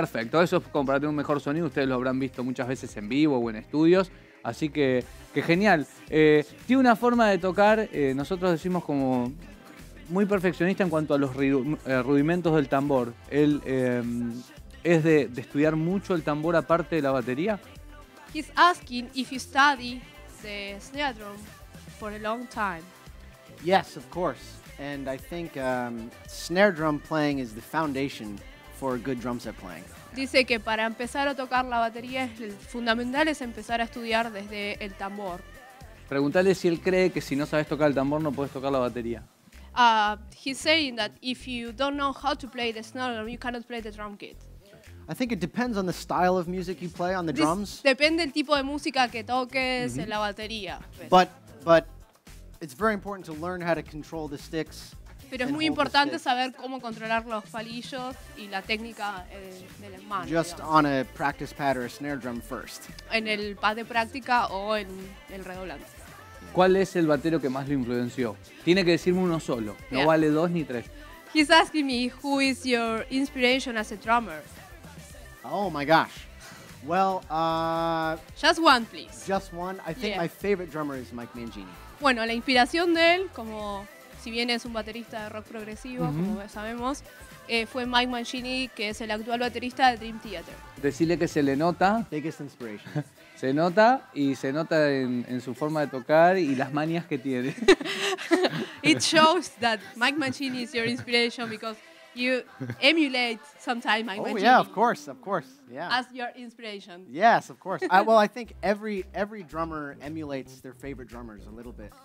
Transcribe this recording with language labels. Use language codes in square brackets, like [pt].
[es] Perfecto, eso es como para tener un mejor sonido. Ustedes lo habrán visto muchas veces en vivo o en estudios. Así que genial. Tiene una forma de tocar, nosotros decimos como muy perfeccionista en cuanto a los rudimentos del tambor. ¿Es de estudiar mucho el tambor aparte de la batería? [en] He's asking if you study the snare drum for a long time. Yes, of course. And I think snare drum playing is the foundation for good drum set playing. [es] Dice que para empezar a tocar la batería es el fundamental es empezar a estudiar desde el tambor. Pregúntale si él cree que si no sabes tocar el tambor no puedes tocar la batería. [en] He's saying that if you don't know how to play the snare drum, you cannot play the drum kit. I think it depends on the style of music you play on the drums. [es] Depende el tipo de música que toques en la batería. [en] But it's very important to learn how to control the sticks. [es] Pero es muy importante saber cómo controlar los palillos y la técnica de las manos. [en] Just on a practice pad or a snare drum first. [es] En el pad de práctica o en el redoblante. ¿Cuál es el batero que más lo influenció? Tiene que decirme uno solo. No [en] yeah. [es] vale dos ni tres. [en] He's asking me who is your inspiration as a drummer. Oh my gosh. Well, just one, please. Just one. I think my favorite drummer is Mike Mangini. [es] Bueno, la inspiración de él, como si bien es un baterista de rock progresivo, como sabemos, fue Mike Mangini, que es el actual baterista de Dream Theater. Decirle que se le nota. [en] Biggest inspiration. [es] Se nota y se nota en su forma de tocar y las manías que tiene. [en] It shows that Mike Mangini is your inspiration because you emulate sometimes Mike Mangini. Oh yeah, of course, yeah. As your inspiration. Yes, of course. I think every drummer emulates their favorite drummers a little bit.